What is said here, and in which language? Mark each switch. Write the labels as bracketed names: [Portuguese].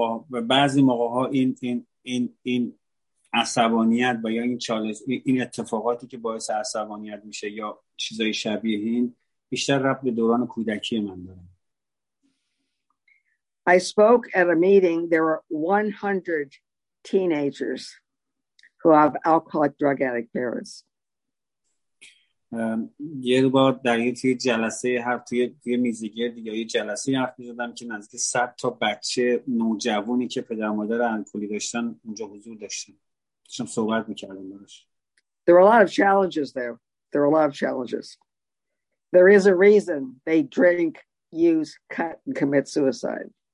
[Persian] بعضی موقع‌ها این عصبانیت با یا این چالش این اتفاقاتی که باعث عصبانیت میشه یا چیزای شبیه این بیشتر ربط به دوران کودکی من داره. [English] I spoke at a meeting. There were 100 teenagers who have alcoholic drug addict parents. [Persian] یه با در یه توی جلسه هر توی میزگیر دیگه یه جلسه حرف میزدم که نزدیک 100 تا بچه نوجوانی که پدر مادر الکلی داشتن اونجا حضور داشتن داشتم صحبت میکردم براش. [English] There are a lot of challenges there. There are a lot of challenges. There is a reason they drink, use, cut and commit suicide.